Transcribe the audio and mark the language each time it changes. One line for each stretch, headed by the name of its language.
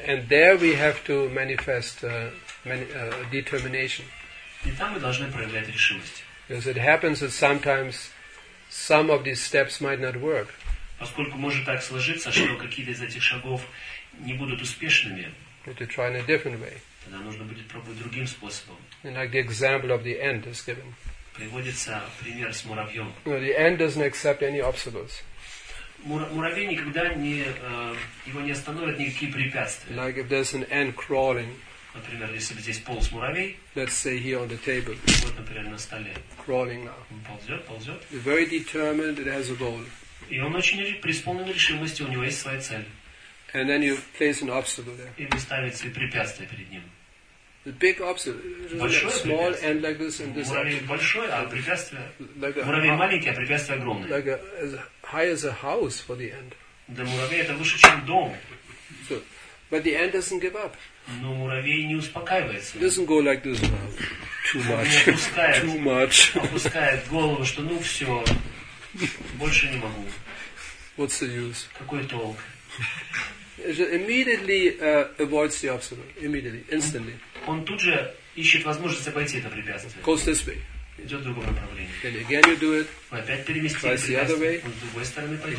English: And there we have to manifest determination.
Russian: И там мы должны проявлять решимость.
English: Because it happens that sometimes some of these steps might not work.
Russian: Поскольку может так сложиться, что какие-то из этих шагов не будут успешными.
English: You have to try in a different way.
Russian: Тогда нужно будет пробовать другим способом.
English: And like the example of the ant is given.
Russian: Приводится пример с муравьем.
English: You know, the ant doesn't accept any obstacles.
Russian: Муравей никогда не его не остановят никакие препятствия.
English: Like if there's an ant crawling.
Russian: Например, если бы здесь полз муравей.
English: Let's say here on the table.
Russian: Вот, например, на столе.
English: Crawling now.
Russian: Он ползет, ползет.
English: He's very determined. It has a goal.
Russian: И он очень преисполнен решимости. У него есть своя цель.
English: And then you place an obstacle there.
Russian: И вы ставите препятствие перед ним.
English: The big obstacle.
Russian: Большое
English: like small ant like this and this.
Russian: Муравей большой, а препятствие. Like муравей маленький, а препятствие огромное.
English: Like as high as a house for the ant.
Russian: Да, муравей это выше, чем дом.
English: So, but the ant doesn't give up.
Russian: Но муравей не успокаивается.
English: It doesn't go like this now. Too much. Too much.
Russian: Опускает голову, что ну все, больше не могу.
English: What's the use?
Russian: Какой толк?
English: Immediately avoids the obstacle. Immediately, instantly.
Russian: Он тут же ищет возможность обойти это препятствие.
English: Goes this way.
Russian: Идет в другом направлении.
English: Then again you do it.
Russian: Опять переместить препятствие.
English: Tries the other way.
Russian: Он с другой стороны пойдет.